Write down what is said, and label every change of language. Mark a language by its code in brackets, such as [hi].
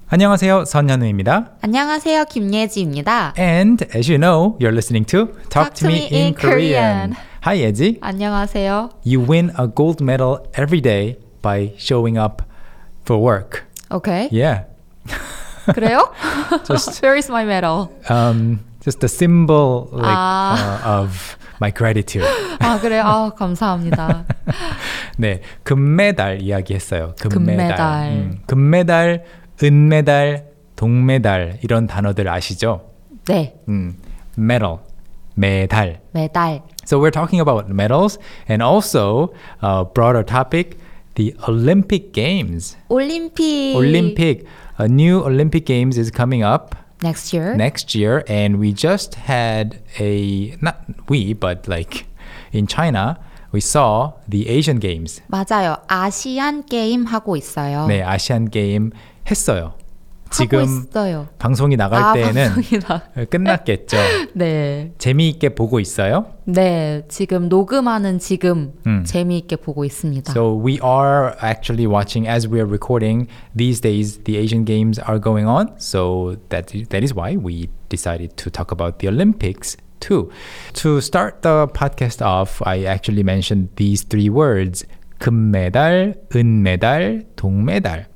[ko] 안녕하세요, 선현우입니다. 안녕하세요, 김예지입니다. [en] And as you know, you're listening to Talk to me in Korean. Hi, Yeji. [ko] 안녕하세요. [en] You win a gold medal every day by showing up for work. Okay. Yeah. [ko] 그래요? [en] Where is my medal? Just a symbol like, of my gratitude. [ko] 아, 그래요? 아, 감사합니다. 네, 금메달 이야기했어요. 금메달. 금메달. 은메달, 동메달 이런 단어들 아시죠? 네. [en] Medal, [ko] 메달. 메달. [en] So we're talking about medals and also a broader topic, the Olympic Games. [ko] 올림픽. 올림픽. [en] A new Olympic Games is coming up. Next year. Next year. And we just had a, not we, but like in China, we saw the Asian Games. [ko] 맞아요. 아시안 게임 하고 있어요. 네, 아시안 게임. 했어요. 지금 있어요. 방송이 나갈 때는 끝났겠죠. 네. 재미있게 보고 있어요? 네. 지금 녹음하는 지금 재미있게 보고 있습니다. [en] So we are actually watching as we are recording these days the Asian Games are going on. So that is why we decided to talk about the Olympics too. To start the podcast off, I actually mentioned these three words. [ko] 금메달, 은메달, 동메달.